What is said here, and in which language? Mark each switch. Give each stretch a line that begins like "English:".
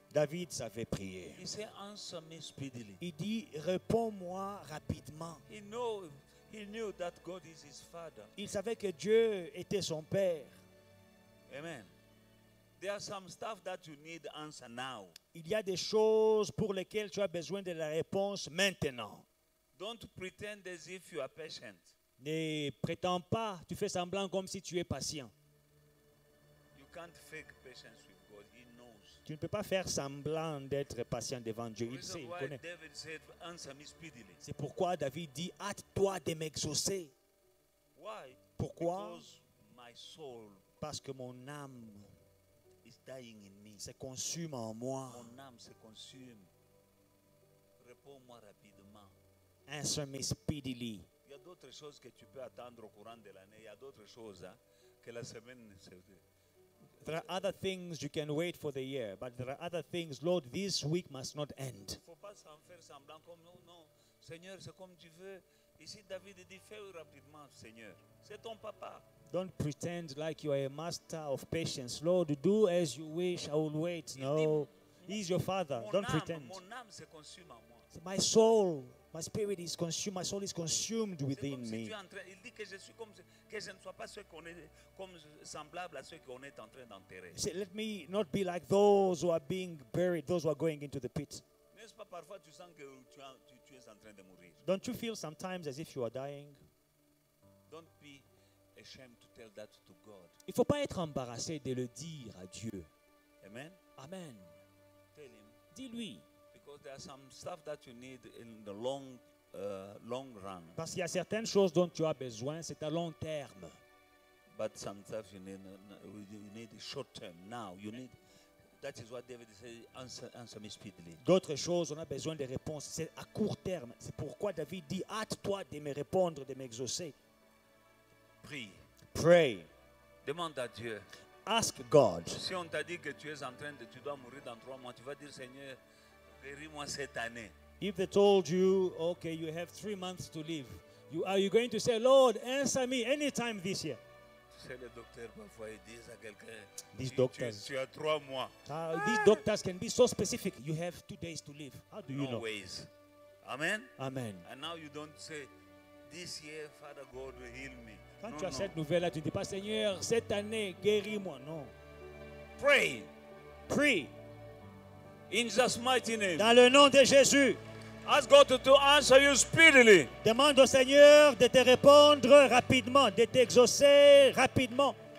French: David savait prier.
English: He said, answer me speedily.
French: Il dit, réponds-moi rapidement.
English: He knew that God is his father.
French: Il savait que Dieu était son père. Amen.
English: There are some stuff that you need answer now.
French: Il y a des choses pour lesquelles tu as besoin de la réponse maintenant.
English: Don't pretend as if you are patient.
French: Ne prétends pas, tu fais semblant comme si tu es patient.
English: You can't fake patience with God. He knows.
French: Tu ne peux pas faire semblant d'être patient devant Dieu. Il sait, il connaît.
English: David said, answer me speedily.
French: C'est pourquoi David dit, hâte-toi de m'exaucer.
English: Why?
French: Pourquoi?
English: Because my soul.
French: Parce que mon âme
English: is dying in me.
French: Se consume en moi. Mon âme se consume. Réponds-moi rapidement.
English: Answer me speedily.
French: Il y a d'autres choses que tu peux attendre au courant de l'année. Il y a d'autres choses que la semaine.
English: There are other things you can wait for the year, but there are other things, Lord, this week must not end.
French: Faut pas s'en faire semblant comme non, non. Seigneur, c'est comme tu veux. Ici, David dit, fais rapidement, Seigneur. C'est ton papa.
English: Don't pretend like you are a master of patience. Lord, do as you wish. I will wait. No, he's your father. Don't pretend.
French: Mon âme se consume en moi.
English: My soul, my spirit is consumed. My soul is consumed within me.
French: Il dit que je suis comme que je ne sois pas ceux qu'on est comme semblable à ceux qu'on est en train d'enterrer.
English: Let me not be like those who are being buried, those who are going into the pit.
French: N'est-ce pas parfois tu sens que tu es en train de mourir?
English: Don't you feel sometimes as if you are dying? Don't be ashamed to tell that to God.
French: Il faut pas être embarrassé de le dire à Dieu. Amen. Amen.
English: Tell him.
French: Dis-lui.
English: There are some stuff that you need in the long run.
French: Parce qu'il y a certaines choses dont tu as besoin, c'est à long terme.
English: But some stuff you need short term now. That is what David said. Answer me speedily.
French: D'autres choses, on a besoin de réponses. C'est à court terme. C'est pourquoi David dit, hâte-toi de me répondre, de m'exaucer. Prie.
English: Pray.
French: Demande à Dieu.
English: Ask God.
French: Si on t'a dit que tu es en train de, tu dois mourir dans trois mois, tu vas dire, Seigneur, guéris-moi cette année.
English: If they told you, okay, you have 3 months to live, are you going to say, Lord, answer me anytime this year?
French: Les docteurs parfois ils disent à quelqu'un, tu as 3 mois.
English: These doctors can be so specific. You have 2 days to live. How do you know? No ways. Amen. Amen. And now you don't say, this year, Father God will heal me.
French: Quand tu as cette nouvelle, tu ne dis pas, Seigneur, cette année, guéris-moi. Non.
English: Pray. Pray. In Jesus' mighty name.
French: Dans le nom de Jésus.
English: Ask God to answer you speedily.
French: Demande au Seigneur de te répondre rapidement, de t'exaucer rapidement.